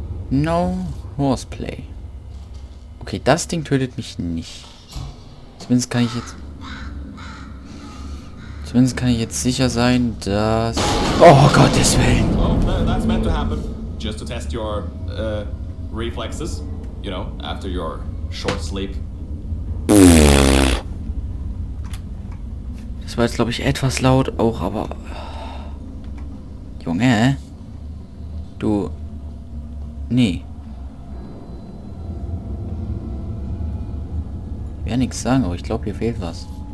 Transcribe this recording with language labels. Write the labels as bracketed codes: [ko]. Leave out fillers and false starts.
[en] No horseplay. [de] Okay, das Ding tötet mich nicht. Zumindest kann ich jetzt... Zumindest kann ich jetzt sicher sein, dass... Oh, Gottes Willen! [en] Oh, that's meant to happen. Just to test your, reflexes. You know, after your short sleep. [de] Das war jetzt, glaube ich, etwas laut auch, aber... Junge, du... Nee. Wäre nichts sagen, aber ich glaube, hier fehlt was.